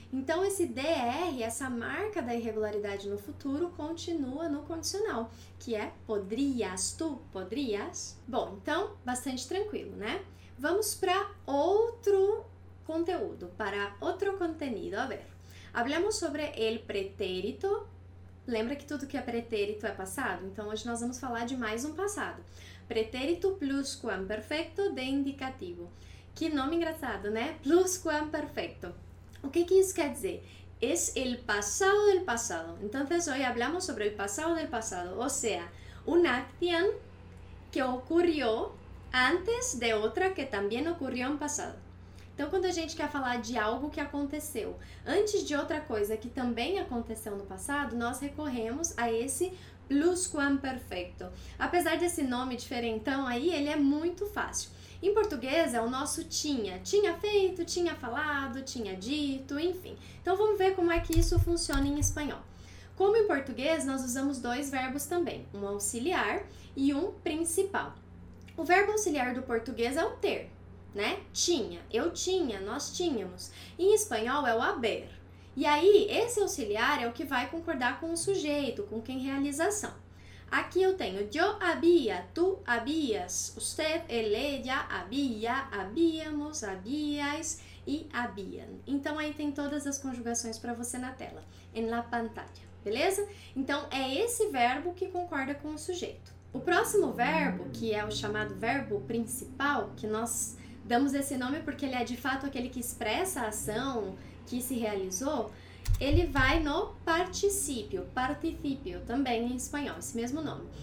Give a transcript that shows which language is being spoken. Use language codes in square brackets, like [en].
[pt] Então, esse DR, essa marca da irregularidade no futuro, continua no condicional, que é [es] podrias, tu podrias. [pt] Bom, então, bastante tranquilo, né? Vamos para outro conteúdo, para outro contenido. [es] A ver, hablamos sobre el pretérito. [pt] Lembra que tudo que é pretérito é passado? Então, hoje nós vamos falar de mais um passado. [es] Pretérito pluscuamperfecto de indicativo. [pt] Que nome engraçado, né? Pluscuamperfecto. O que, que isso quer dizer? [es] Es el pasado del pasado. Entonces, hoy hablamos sobre el pasado del pasado. O sea, una acción que ocurrió antes de otra que también ocurrió en pasado. [pt] Então, quando a gente quer falar de algo que aconteceu antes de outra coisa que também aconteceu no passado, nós recorremos a esse pluscuamperfecto. Apesar desse nome diferentão aí, ele é muito fácil. Em português, é o nosso tinha. Tinha feito, tinha falado, tinha dito, enfim. Então, vamos ver como é que isso funciona em espanhol. Como em português, nós usamos dois verbos também. Um auxiliar e um principal. O verbo auxiliar do português é o ter, né? Tinha, eu tinha, nós tínhamos. Em espanhol, é o haber. E aí, esse auxiliar é o que vai concordar com o sujeito, com quem realiza a ação. Aqui eu tenho [es] yo había, tú habías, usted, él, ella, había, habíamos, habíais e habían. [pt] Então, aí tem todas as conjugações para você na tela, [es] en la pantalla, [pt] beleza? Então, é esse verbo que concorda com o sujeito. O próximo verbo, que é o chamado verbo principal, que nós damos esse nome porque ele é de fato aquele que expressa a ação que se realizou, ele vai no particípio, participio, também em espanhol, esse mesmo nome.